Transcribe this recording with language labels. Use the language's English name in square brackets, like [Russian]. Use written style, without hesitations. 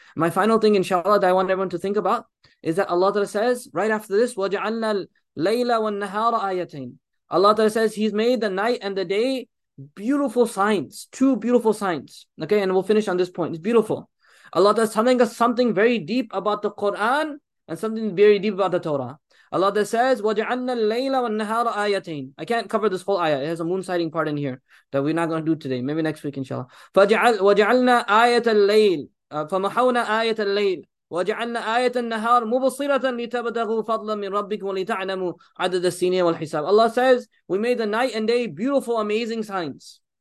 [English] My final thing, inshallah, that I want everyone to think about is that Allah says, right after this, [Arabic] وَجَعَلْنَا اللَّيْلَ وَالنَّهَارَ آيَتَيْنِ. [English] Allah says, He's made the night and the day beautiful signs, two beautiful signs. Okay, and we'll finish on this point. It's beautiful. Allah is telling us something very deep about the Quran and something very deep about the Torah. [Arabic] Allah says, وَجَعَلْنَا اللَّيْلَ وَالنَّهَارَ آيَتَيْنِ. [English] I can't cover this whole ayah. It has a moon sighting part in here that we're not going to do today. Maybe next week, inshallah. [Arabic] وَجَعَلْنَا آيَةَ اللَّيْلِ فَمَحَوْنَا آيَةَ اللَّيْلِ وَجَعَلْنَا آيَةَ النَّهَارِ مُبَصِّرَةً لِتَبْتَغُوا فَضْلًا مِنْ رَبِّكُمْ وَلِتَعْلَمُوا عَدَدَ السِّنِينَ وَالْحِسَابِ. [English] Allah says, we made the night and day beautiful, amazing signs.